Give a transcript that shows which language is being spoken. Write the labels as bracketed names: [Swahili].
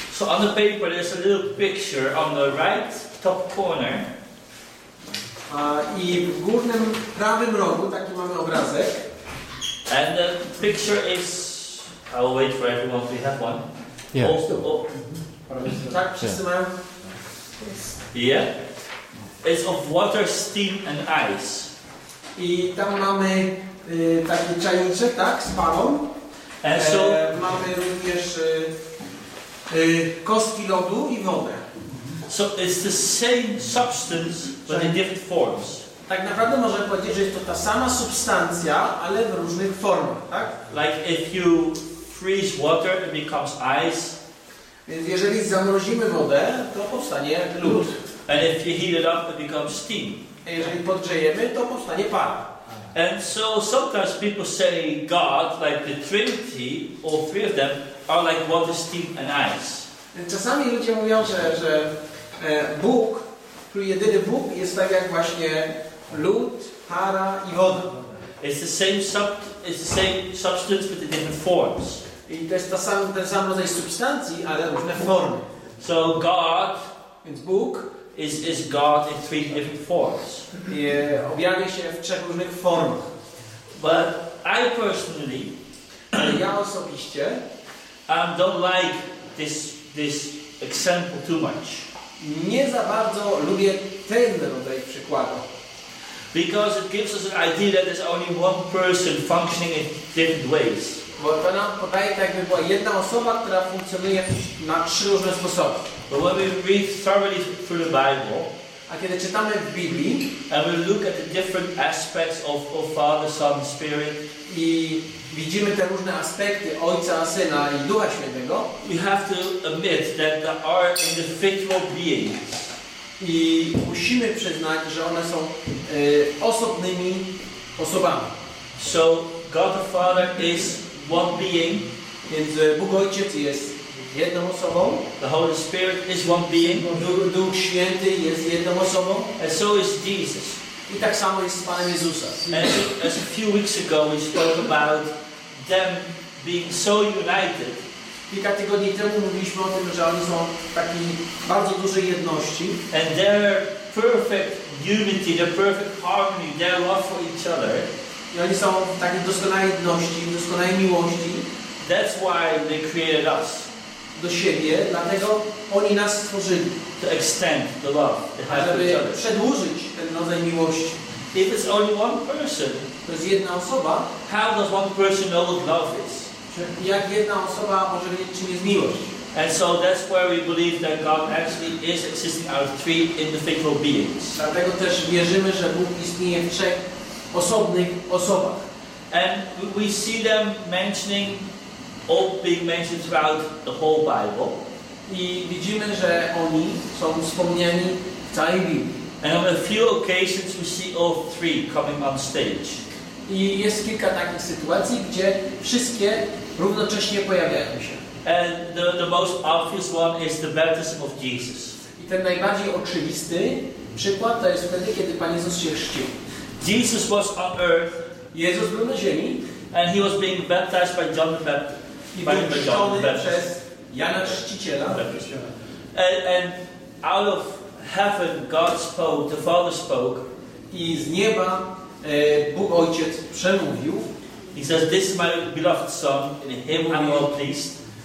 [English] So on the paper there's a little picture on the right top corner. [Polish] I w górnym prawym rogu taki mamy obrazek. [English] And the picture is. I'll wait for everyone if we have one. Yeah. Also, [Polish] tak, wszyscy mają. [English] Yeah. Yeah. It's of water, steam and ice. [Polish] I tam mamy taki czajniczek, tak, z parą. [English] And so [Polish] mamy również kostki lodu i wodę. [English] So it's the same substance, but in different forms. [Polish] Tak naprawdę możemy powiedzieć, że jest to ta sama substancja, ale w różnych formach, tak? [English] Like if you freeze water, it becomes ice. [Polish] Więc jeżeli zamrozimy wodę, to powstanie lód. [English] And if you heat it up, it becomes steam. [Polish] A jeżeli podgrzejemy, to powstanie para. [English] And so sometimes people say God, like the Trinity, all three of them, are like water, steam and ice. [Polish] Czasami ludzie mówią, że Bóg, który jedyny Bóg, jest tak jak właśnie lód, para i woda. [English] It's the same substance, but in different forms. [Polish] I to jest ten sam rodzaj substancji, ale różne formy. [English] So God, [Polish] więc Bóg, [English] Is God in three different forms? [Polish] Yeah, objawia się w trzech różnych formach. [English] But I personally, [Polish] ja osobiście, [English] don't like this example too much. [Polish] Nie za bardzo lubię ten rodzaj przykładu. [English] Because it gives us an idea that there's only one person functioning in different ways. [Polish] Bo to nam podaje tak, jakby była jedna osoba, która funkcjonuje na trzy różne sposoby. [English] But when we read thoroughly through the Bible, [Polish] a kiedy czytamy w Biblii, [English] and we look at the different aspects of Father, Son, Spirit, [Polish] i widzimy te różne aspekty Ojca, Syna i Ducha Świętego, [English] we have to admit that they are individual beings. [Polish] I musimy przyznać, że one są osobnymi osobami. [English] So God the Father is one being, [Polish] więc Bóg Ojciec jest jedną osobą. [English] The Holy Spirit is one being. [Polish] Duch Święty jest jedną osobą. [English] And so is Jesus. [Polish] I tak samo jest z Panem Jezusem. [English] As a few weeks ago we spoke about them being so united. [Polish] Kilka tygodni temu mówiliśmy o tym, że oni są w takiej bardzo dużej jedności. [English] And their perfect unity, their perfect harmony, their love for each other. [Polish] I oni są w takiej doskonałej jedności, doskonałej miłości. [English] That's why they created us. [Polish] Do siebie, dlatego oni nas stworzyli. [English] To extend the love they have [Polish] żeby [English] for each other. [Polish] Przedłużyć ten rodzaj miłości. [English] If it's only one person, [Polish] to jest jedna osoba. [English] How does one person know what love is? [Polish] Jak jedna osoba może wiedzieć, czym jest miłość? [English] And so that's where we believe that God actually is existing out of three individual beings. [Polish] Dlatego też wierzymy, że Bóg istnieje w trzech osobnych osobach. [English] And we see them mentioning, all being mentioned throughout the whole Bible. [Polish] I widzimy, że oni są wspomniani w całej Biblii. [English] And on a few occasions we see all three coming on stage. [Polish] I jest kilka takich sytuacji, gdzie wszystkie równocześnie pojawiają się. [English] And the most obvious one is the baptism of Jesus. [Polish] I ten najbardziej oczywisty przykład to jest wtedy, kiedy Pan Jezus się chrzcił. [English] Jesus was on earth. [Polish] Jezus był na ziemi. [English] And he was being baptized by John the Baptist. [Polish] I był chrzczony przez Jana Chrzciciela. [English] And out of heaven God spoke, the Father spoke. [Polish] I z nieba Bóg Ojciec przemówił. [English] He says, "This is my beloved Son, in Him I am well pleased."